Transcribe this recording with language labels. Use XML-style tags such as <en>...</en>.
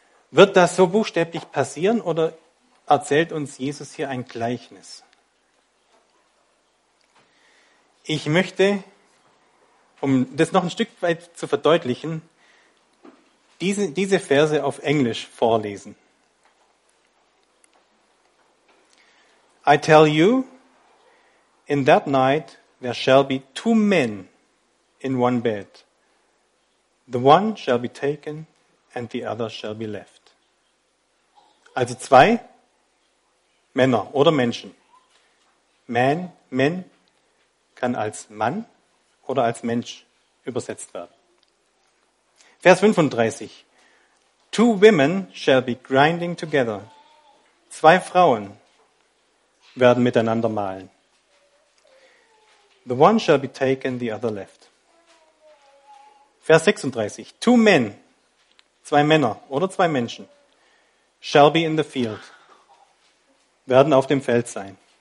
<de>Wird das so buchstäblich passieren oder erzählt uns Jesus hier ein Gleichnis? Ich möchte, um das noch ein Stück weit zu verdeutlichen, diese Verse auf Englisch vorlesen.</de> <en>I tell you, in that night there shall be two men in one bed. The one shall be taken and the other shall be left.</en> <de>Also zwei Männer oder Menschen. Men kann als Mann oder als Mensch übersetzt werden. Vers 35.</de> <en>Two women shall be grinding together.</en> <de>Zwei Frauen werden miteinander mahlen.</de> <en>The one shall be taken, the other left.</en> <de>Vers 36.</de> <en>Two men,</en> <de>zwei Männer oder zwei Menschen,</de> <en>shall be in the field,</en> <de>werden auf dem Feld sein.</de>